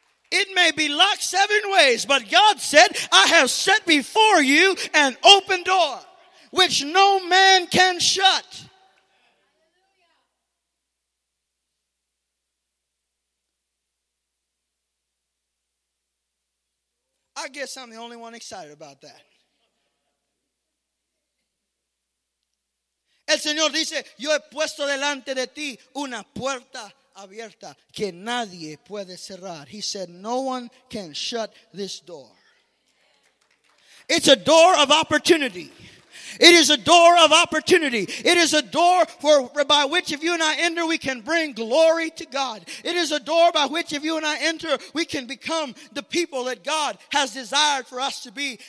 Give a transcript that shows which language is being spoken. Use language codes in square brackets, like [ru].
[en] It may be locked seven ways, but God said, I have set before you an open door, which no man can shut. I guess I'm the only one excited about that. [es] El Señor dice, yo he puesto delante de ti una puerta abierta que nadie puede cerrar. [en] He said, no one can shut this door. It's a door of opportunity. It is a door of opportunity. It is a door for by which if you and I enter, we can bring glory to God. It is a door by which if you and I enter, we can become the people that God has desired for us to be.